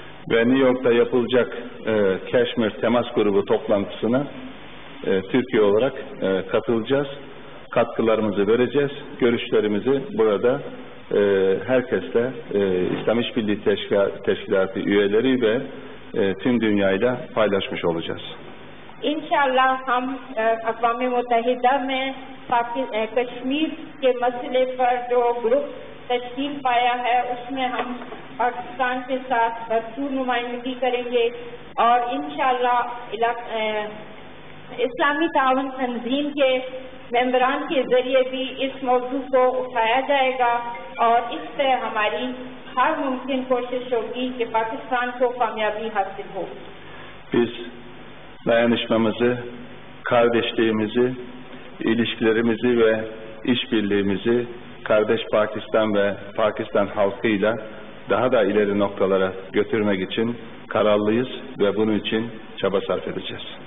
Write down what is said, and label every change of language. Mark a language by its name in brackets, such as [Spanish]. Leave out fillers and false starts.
[Turkish] Ve New York'ta yapılacak Kashmir temas grubu toplantısına Türkiye olarak katılacağız. Katkılarımızı vereceğiz. Görüşlerimizi burada herkesle İslam İşbirliği Teşkilatı üyeleri ve tüm dünyayla paylaşmış olacağız. [Urdu] İnşallah hem Akvami Mutahida'me Kashmir کے مسئلے پر جو group تشکیل پایا ہے اس میں ہم پاکستان کے ساتھ بھرپور نمائندگی کریں گے اور انشاءاللہ اسلامی تعاون تنظیم کے ممبران کے ذریعے بھی اس موضوع کو اٹھایا جائے گا اور اس سے ہماری ہر ممکن کوشش ہوگی کہ پاکستان کو کامیابی حاصل ہو [Turkish] بس dayanışmamızı, kardeşliğimizi, ilişkilerimizi ve işbirliğimizi kardeş Pakistan ve Pakistan halkıyla daha da ileri noktalara götürmek için kararlıyız ve bunun için çaba sarf edeceğiz.